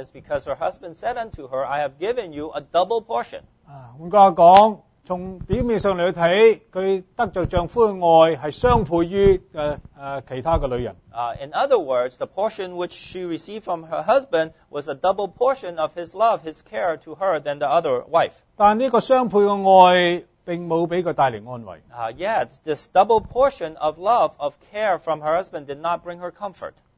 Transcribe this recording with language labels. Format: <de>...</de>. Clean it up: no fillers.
<en>is because her husband said unto her, I have given you a double portion.</en> <zh>換句話講，從表面上嚟睇，佢得著丈夫嘅愛係雙倍於其他嘅女人。</zh> <en>In other words, the portion which she received from her husband was a double portion of his love, his care to her than the other wife.</en> <zh>但呢個雙倍嘅愛並冇俾佢帶嚟安慰。</zh> <en>Yet, this double portion of love, of care from her husband did not bring her comfort.</en>